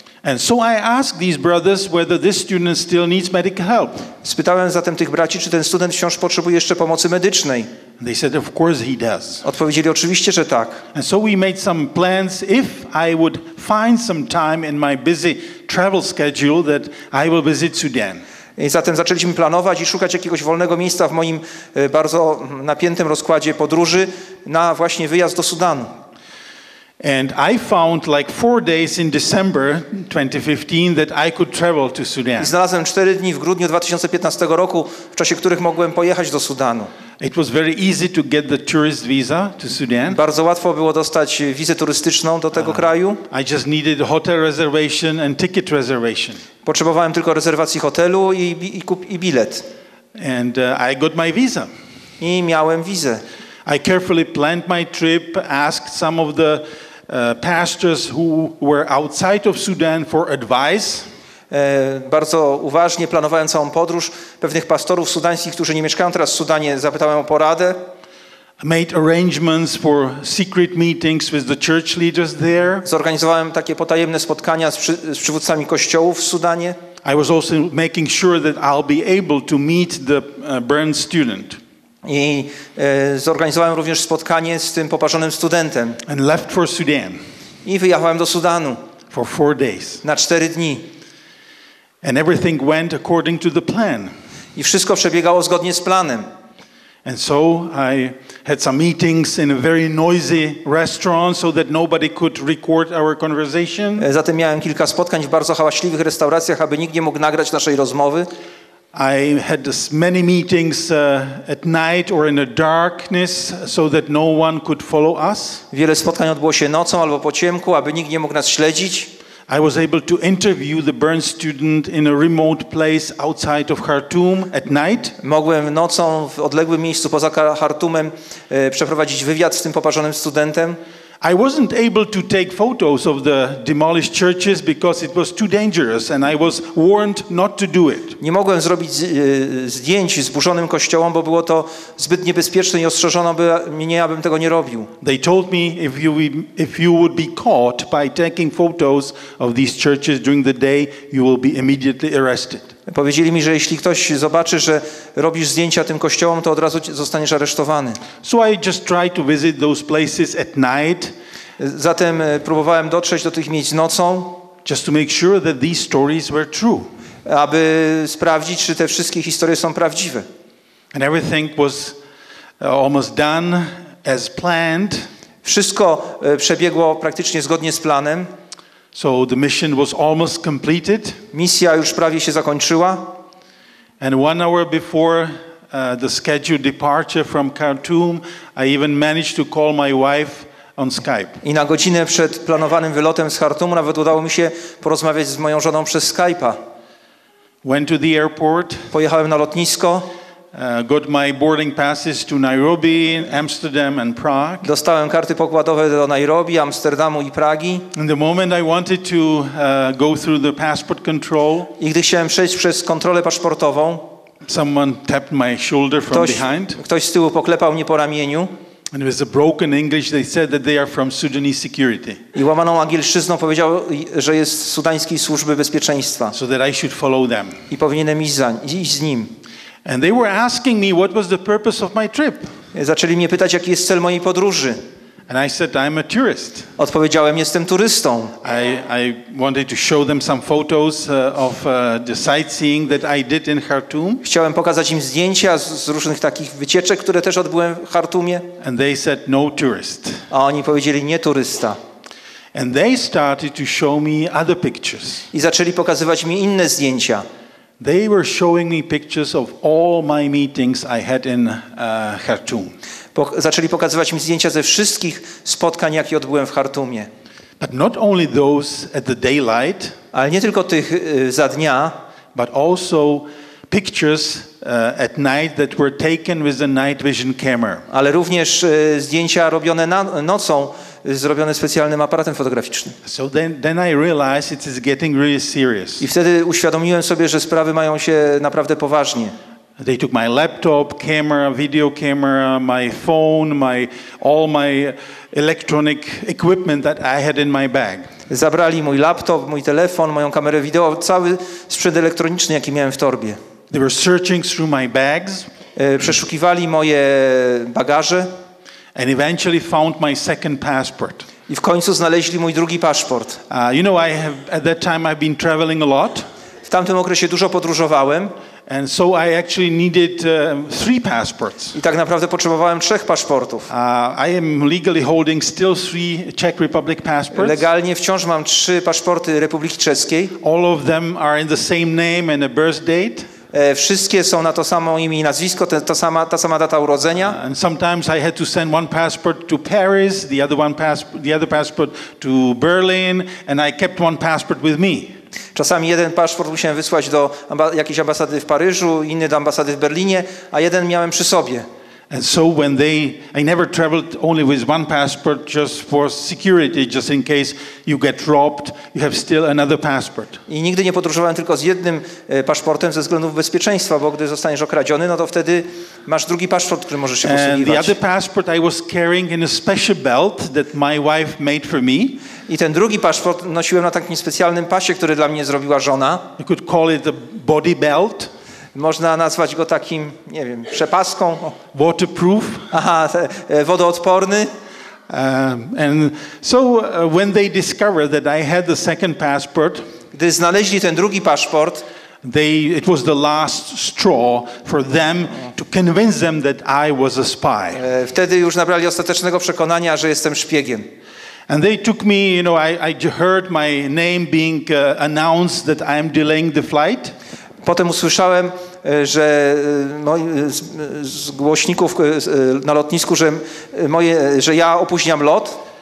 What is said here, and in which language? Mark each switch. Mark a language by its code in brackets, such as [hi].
[en] And so I asked these brothers whether this student still needs medical help. [pl] Spytałem zatem tych braci, czy ten student wciąż potrzebuje jeszcze pomocy medycznej. [en] They said, of course he does. [pl] Odpowiedzieli oczywiście, że tak. [en] And so we made some plans if I would find some time in my busy travel schedule that I will visit Sudan. [pl] I zatem zaczęliśmy planować i szukać jakiegoś wolnego miejsca w moim bardzo napiętym rozkładzie podróży na właśnie wyjazd do Sudanu. [en] And I found like 4 days in December 2015 that I could travel to Sudan. [pl] I znalazłem 4 dni w grudniu 2015 roku, w czasie których mogłem pojechać do Sudanu. [en] It was very easy to get the tourist visa to Sudan. [pl] Bardzo łatwo było dostać wizę turystyczną do tego kraju. [en] I just needed hotel reservation and ticket reservation. [pl] Potrzebowałem tylko rezerwacji hotelu i bilet. [en] And I got my visa. [pl] I miałem wizę. [en] I carefully planned my trip, asked some of the pastors who were outside of Sudan for advice. [pl] Bardzo uważnie planowałem całą podróż, pewnych pastorów sudańskich, którzy nie mieszkają teraz w Sudanie, zapytałem o poradę. [en] made arrangements for secret meetings with the church leaders there. [pl] Zorganizowałem takie potajemne spotkania z przywódcami kościołów w Sudanie. [en] I was also making sure that I'll be able to meet the burned student. [pl] I zorganizowałem również spotkanie z tym poparzonym studentem. [en] And left for Sudan. [pl] I wyjechałem do Sudanu. [en] For 4 days. [pl] Na 4 dni. [en] And everything went according to the plan. [pl] I wszystko przebiegało zgodnie z planem. [en] And so I had some meetings in a very noisy restaurant so that nobody could record our conversation. [pl] Zatem miałem kilka spotkań w bardzo hałaśliwych restauracjach, aby nikt nie mógł nagrać naszej rozmowy. [en] I had many meetings at night or in a darkness so that no one could follow us. [pl] Wiele spotkań odbyło się nocą albo po ciemku, aby nikt nie mógł nas śledzić. [en] I was able to interview the burned student in a remote place outside of Khartoum at night. [pl] Mogłem nocą w odległym miejscu poza Khartoumem przeprowadzić wywiad z tym poparzonym studentem. [en] I wasn't able to take photos of the demolished churches because it was too dangerous and I was warned not to do it. [pl] Nie mogłem zrobić zdjęć zburzonym kościołom, bo było to zbyt niebezpieczne i ostrzeżono mnie, abym tego nie robił. [en] They told me if you would be caught by taking photos of these churches during the day, you will be immediately arrested. [pl] Powiedzieli mi, że jeśli ktoś zobaczy, że robisz zdjęcia tym kościołom, to od razu zostaniesz aresztowany. [en] So I just tried to visit those places at night. [pl] Zatem próbowałem dotrzeć do tych miejsc nocą. [en] Just to make sure that these stories were true. [pl] Aby sprawdzić, czy te wszystkie historie są prawdziwe. [en] And everything was almost done as planned. [pl] Wszystko przebiegło praktycznie zgodnie z planem. [en] So the mission was almost completed. [pl] Misja już prawie się zakończyła. [en] And 1 hour before the scheduled departure from Khartoum, I even managed to call my wife on Skype. [pl] I na godzinę przed planowanym wylotem z Khartoum nawet udało mi się porozmawiać z moją żoną przez Skype'a. [en] Went to the airport. [pl] Pojechałem na lotnisko. [en] Got my boarding passes to Nairobi, Amsterdam and Prague. [pl] Dostałem karty pokładowe do Nairobi, Amsterdamu i Pragi. [en] And the moment I wanted to go through the passport control, [pl] i gdy chciałem przejść przez kontrolę paszportową, [en] someone tapped my shoulder from behind. [pl] Ktoś z tyłu poklepał mnie po ramieniu. [en] And it was a broken English. They said that they are from Sudanese security. [pl] I łamaną angielszczyzną powiedział, że jest z sudańskiej służby bezpieczeństwa. [en] So that I should follow them. [pl] I powinienem iść z nim. [en] And they were asking me what was the purpose of my trip. [pl] Zaczęli mnie pytać, jaki jest cel mojej podróży. [en] And I said, I'm a tourist. [pl] Odpowiedziałem, jestem turystą. [en] I wanted to show them some photos of the sightseeing that I did in Khartoum. [pl] Chciałem pokazać im zdjęcia z różnych takich wycieczek, które też odbyłem w Khartoumie. [en] And they said, no tourist. [pl] A oni powiedzieli, nie turysta. [en] And they started to show me other pictures. [pl] I zaczęli pokazywać mi inne zdjęcia. [en] They were showing me pictures of all my meetings I had in Khartoum. [pl] Zaczęli pokazywać mi zdjęcia ze wszystkich spotkań, jakie odbyłem w Khartoumie. [en] But not only those at the daylight, [pl] ale nie tylko tych za dnia, [en] but also pictures at night that were taken with a night vision camera. [pl] Ale również zdjęcia robione nocą, zrobione specjalnym aparatem fotograficznym. [en] So then I realized it is getting really serious. [pl] I wtedy uświadomiłem sobie, że sprawy mają się naprawdę poważnie. [en] They took my laptop, camera, video camera, my phone, all my electronic equipment that I had in my bag. [pl] Zabrali mój laptop, mój telefon, moją kamerę wideo, cały sprzęt elektroniczny, jaki miałem w torbie. [en] They were searching through my bags. [pl] Przeszukiwali moje bagaże. [en] And eventually found my second passport. [pl] I w końcu znaleźli mój drugi paszport. [en] You know, I have at that time I've been traveling a lot. [pl] W tamtym okresie dużo podróżowałem. [en] And so I actually needed three passports. [pl] I tak naprawdę potrzebowałem trzech paszportów. [en] I am legally holding still three Czech Republic passports. [pl] Legalnie wciąż mam trzy paszporty Republiki Czeskiej. [en] All of them are in the same name and a birth date. [pl] Wszystkie są na to samo imię i nazwisko, ta sama data urodzenia. [en] And sometimes I had to send one passport to Paris, the other passport to Berlin, and I kept one passport with me. [pl] Czasami jeden paszport musiałem wysłać do jakiejś ambasady w Paryżu, inny do ambasady w Berlinie, a jeden miałem przy sobie. [en] And so when they, I never traveled only with one passport, just for security, just in case you get robbed, you have still another passport. [pl] I nigdy nie podróżowałem tylko z jednym paszportem ze względów bezpieczeństwa, bo gdy zostaniesz okradziony, no to wtedy masz drugi paszport, który możesz się posługiwać. [en] And the other passport I was carrying in a special belt that my wife made for me. [pl] I ten drugi paszport nosiłem na takim specjalnym pasie, który dla mnie zrobiła żona. [en] You could call it a body belt. [pl] Można nazwać go takim, nie wiem, przepaską. [en] Waterproof. [pl] Aha, wodoodporny. [en] And so when they discovered that I had the second passport, [pl] gdy znaleźli ten drugi paszport, [en] it was the last straw for them to convince them that I was a spy. [pl] Wtedy już nabrali ostatecznego przekonania, że jestem szpiegiem. [en] And they took me, you know, I heard my name being announced that I'm delaying the flight. [pl] Potem usłyszałem, że z głośników na lotnisku, że ja opóźniam lot.